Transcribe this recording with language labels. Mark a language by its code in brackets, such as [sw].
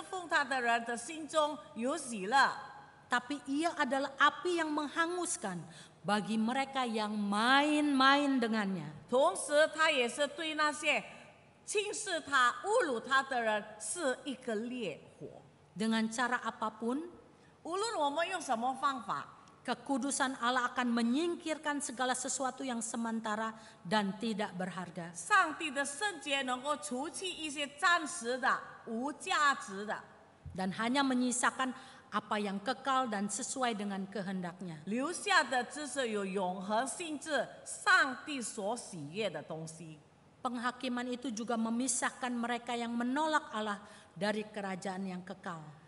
[zh] 虽然他是我们的上帝，他也能够照亮给那些侍奉他的人的心中有喜乐. [id] Tapi ia adalah api yang menghanguskan bagi mereka yang main-main dengannya. [zh] 同时，他也是对那些轻视他、侮辱他的人是一个烈火. [id] Dengan cara apapun, [zh] 无论我们用什么方法, [id] kekudusan Allah akan menyingkirkan segala sesuatu yang sementara dan tidak berharga. [zh] 上帝的圣洁能够除去一些暂时的、无价值的, [id] dan hanya menyisakan apa yang kekal dan sesuai dengan kehendaknya. [zh] 留下的只是有永恒性质，上帝所喜悦的东西. [id] Penghakiman itu juga memisahkan mereka yang menolak Allah dari kerajaan yang kekal.